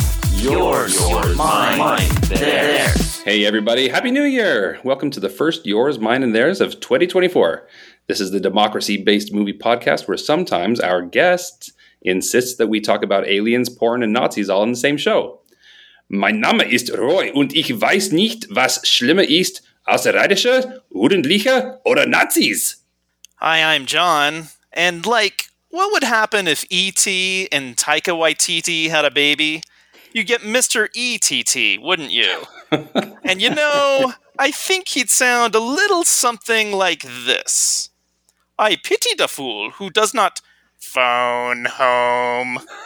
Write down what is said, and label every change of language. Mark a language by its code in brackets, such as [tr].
[en] Yours, mine, theirs. Hey everybody, Happy New Year! Welcome to the first Yours, Mine, and Theirs of 2024. This is the democracy-based movie podcast where sometimes our guest insists that we talk about aliens, porn, and Nazis all in the same show. [de] Mein Name ist Roy und ich weiß nicht, was schlimmer ist, außerirdische, Jugendliche, oder Nazis. [en] Hi, I'm John. And, like, what would happen if E.T. and Taika Waititi had a baby? You get Mr. E.T.T., wouldn't you? And, you know, I think he'd sound a little something like this. I pity the fool who does not phone home.